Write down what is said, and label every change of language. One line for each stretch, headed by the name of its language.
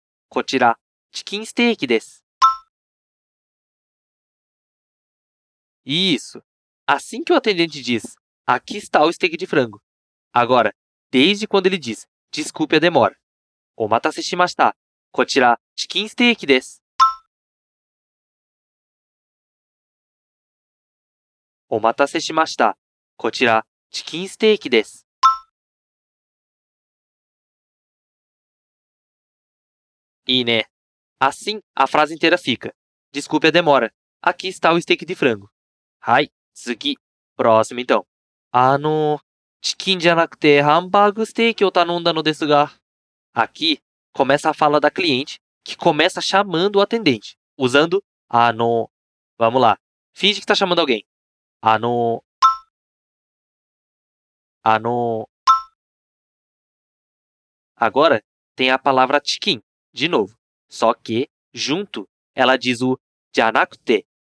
Japanese: Kochira, chicken steak desu.
Portuguese: Isso. Assim que o atendente diz, aqui está o steak de frango. Agora, desde quando ele diz, desculpe a demora.
Japanese: Omatase shimashita. こちら、チキンステーキです。お待たせしました。こちら、チキンステーキです。いいね。
Portuguese: Assim, a frase inteira fica. Desculpe a demora. Aqui está o steak de frango.
Japanese: はい、次。
Portuguese: Próximo, então.
Japanese: チキンじゃなくてハンバーグステーキを頼んだのですが。
Portuguese: Aqui começa a fala da cliente, que começa chamando o atendente, usando ano. Vamos lá. Finge que está chamando alguém. Ano.
Japanese: Ano.
Portuguese: Agora tem a palavra chicken, de novo. Só que, junto, ela diz o janakute.